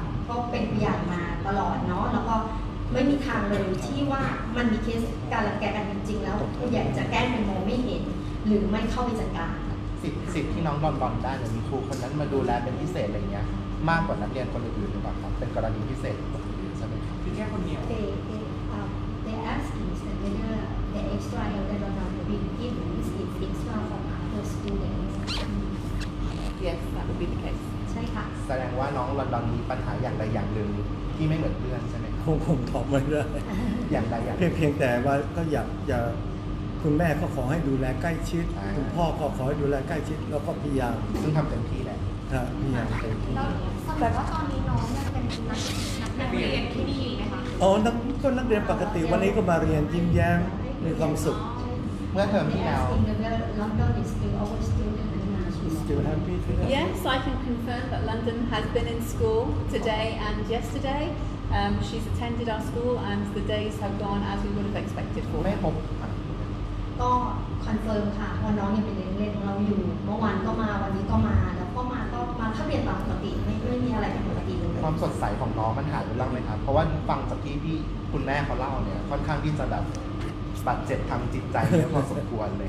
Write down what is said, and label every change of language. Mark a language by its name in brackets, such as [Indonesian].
[Thai] ก็เป็นผู้ใหญ่มาตลอดเนาะแล้วก็ไม่มีทางเลยที่ว่ามันมีเคสการแก้กันจริงๆแล้วผู้ใหญ่จะแก้เป็นโมไม่เห็นหรือไม่เข้าไปจัดการ สิทธิ์ที่น้องบอลบอลได้หรือมีครูคนนั้นมาดูแลเป็นพิเศษอะไรเงี้ยมากกว่านักเรียนคนอื่นหรือเปล่าครับเป็นกรณีพิเศษคนอื่นใช่ไหม คือแค่คนเดียว [English] they asking whether the extra help that Lon Don will be given is it extra for other students yes that would be the case [Thai] ใช่ค่ ะ แสดงว่าน้องบอลบอลมีปัญหาอย่างใดอย่างหนึ่งที่ไม่เหมือนเพื่อนใช่ไหม ผมตอบไม่ได้อย่างใดอย่าง เพียงแต่ว่าก็อย่าคุณแม่ก็ขอให้ดูแลใกล้ชิดคุณพ่อก็ขอให้ดูแลใกล้ชิดแล้วก็พยายาม ซึ่งทำเต็มที่แหละ ครับพยายามเต็มที่ แล้วแต่ว่าตอนนี้น้องเป็นนักเรียนที่ดี ไห มคะ อ๋อนักเรียนปกติวันนี้ก็มาเรียนยิ้มแย้มมีความสุข เมื่อเทอมที่แล้ว [English] still happy today yes I can confirm that London has been in school today and yesterdaySheattended our school and the days have gone as we would have expected for her. [Thai] ก็คอนเฟิร์มค่ะว่าน้องยังเป็นเด็กเล็กของเราอยู่เมื่อวานก็มาวันนี้ก็มาแล้วก็มาเข้าเรียนตามปกติไม่มีอะไรผิดปกติเลย ความสดใสของน้องมันหายไปบ้างไหมครับเพราะว่าฟังจากที่พี่คุณแม่เขาเล่าเนี่ยค่อนข้างที่จะแบบบาดเจ็บทางจิตใจเยอะพอสมควรเลย